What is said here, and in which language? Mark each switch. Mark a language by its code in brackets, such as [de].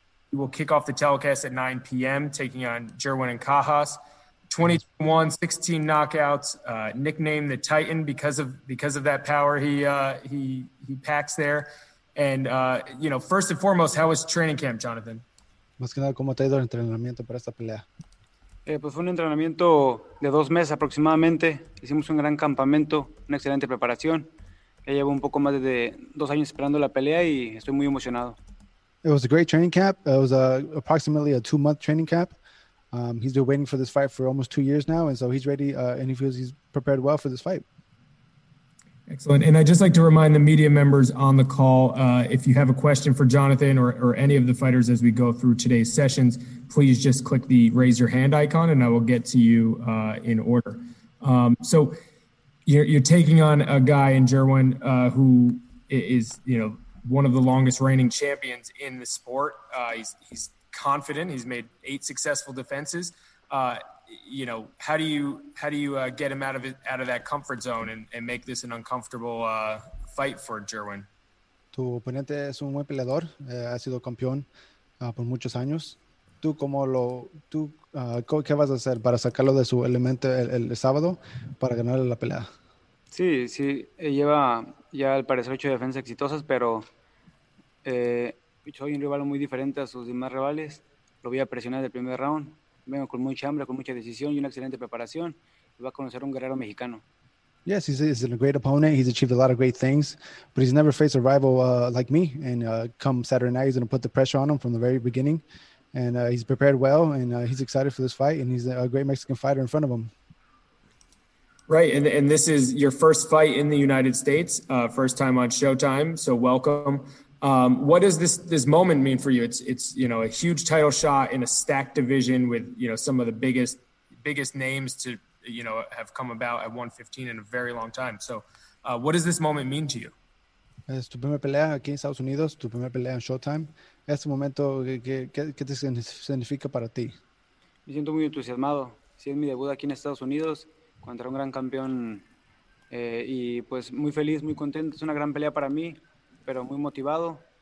[en] He will kick off the telecast at 9 p.m., taking on Jerwin and Cajas. 21, 16 knockouts, nicknamed the Titan because of that power he packs there. And, you know, first and foremost, how was training camp, Jonathan? [es] Más que nada, ¿cómo te ha ido el entrenamiento para esta pelea? Pues fue un entrenamiento de 2 meses aproximadamente. Hicimos un gran campamento, una excelente preparación. Ya llevo un poco más de 2 años esperando la pelea y estoy muy emocionado. [en] It was a great training camp. It was approximately a 2-month training camp. He's been waiting for this fight for almost 2 years now, and so he's ready, and he feels he's prepared well for this fight. Excellent. And I'd just like to remind the media members on the call, if you have a question for Jonathan or any of the fighters as we go through today's sessions, please just click the raise your hand icon and I will get to you in order. So you're taking on a guy in Jerwin who is, you know, one of the longest reigning champions in the sport. He's confident. He's made 8 successful defenses. You know, how do you get him out of that comfort zone and make this an uncomfortable fight for Jerwin? [es] Tu oponente es un buen peleador, ha sido campeón por muchos años. Tú cómo lo tú qué vas a hacer para sacarlo de su elemento el sábado para ganarle la pelea? Sí, lleva ya al parecer 8 defensas exitosas, pero soy un rival muy diferente a sus demás rivales. Lo voy a presionar del primer round. Vengo con mucha hambre, con mucha decisión y una excelente preparación. Va a conocer un guerrero mexicano. [en] Yes, he's a great opponent. He's achieved a lot of great things, but he's never faced a rival like me. And come Saturday night, he's going to put the pressure on him from the very beginning. And he's prepared well, and he's excited for this fight. And he's a great Mexican fighter in front of him. Right, and this is your first fight in the United States, first time on Showtime. So welcome. What does this moment mean for you? It's you know, a huge title shot in a stacked division with, you know, some of the biggest names to, you know, have come about at 115 in a very long time. So what does this moment mean to you? [es] Es tu primera pelea aquí en Estados Unidos, tu primera pelea en Showtime. Este momento, ¿qué te significa para ti? Me siento muy entusiasmado. Sí, es mi debut aquí en Estados Unidos contra un gran campeón. Y pues muy feliz, muy contento. Es una gran pelea para mí, pero muy motivado.